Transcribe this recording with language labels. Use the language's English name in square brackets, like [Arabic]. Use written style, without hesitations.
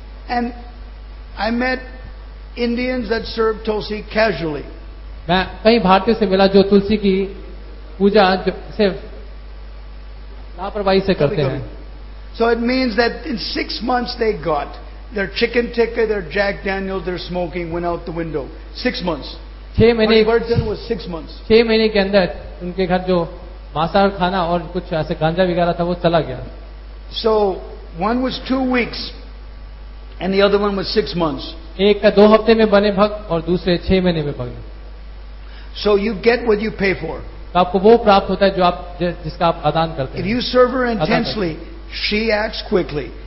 [English] And I met Indians that serve Tulsi casually. [Hindi] मैं कई भारतीयों से मिला जो तुलसी की पूजा सिर्फ लापरवाही से करते हैं. [English] So it means that in 6 months they got their chicken tikka, their Jack Daniels, their smoking went out the window. 6 months. [Hindi] 6 महीने. [English] Conversion was 6 months. [Hindi] 6 महीने के अंदर उनके घर जो मांसाहार खाना और कुछ ऐसे गांजा वगैरह था वो चला गया. [English] So one was 2 weeks. And the other one was 6 months. [Hindi] एक का 2 हफ्ते में बने भक्त और दूसरे 6 महीने में बने. [English] So you get what you pay for. [Hindi] आपको वो प्राप्त होता है जो आप जिसका आप आदान करते हैं. [English] If you serve her intensely, she acts quickly.